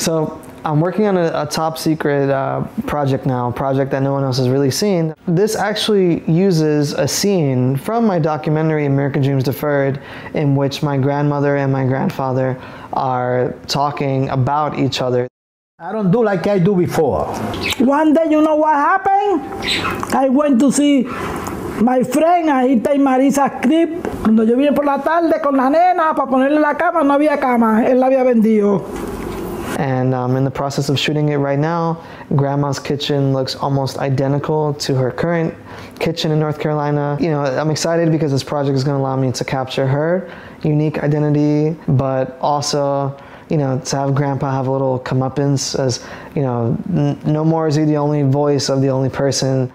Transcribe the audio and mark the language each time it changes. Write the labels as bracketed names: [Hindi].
[English] So I'm working on a top secret project now, a project that no one else has really seen. This actually uses a scene from my documentary, American Dreams Deferred, in which my grandmother and my grandfather are talking about each other. I don't do like I do before. One day, you know what happened? I went to see my friend, [Spanish] Ahita y Marisa Crip, cuando yo vine por la tarde con la nena para ponerle la cama, no había cama, él la había vendido. [English] And I'm in the process of shooting it right now. Grandma's kitchen looks almost identical to her current kitchen in North Carolina. You know, I'm excited because this project is going to allow me to capture her unique identity, but also, you know, to have Grandpa have a little comeuppance, as, you know, no more is he the only voice of the only person.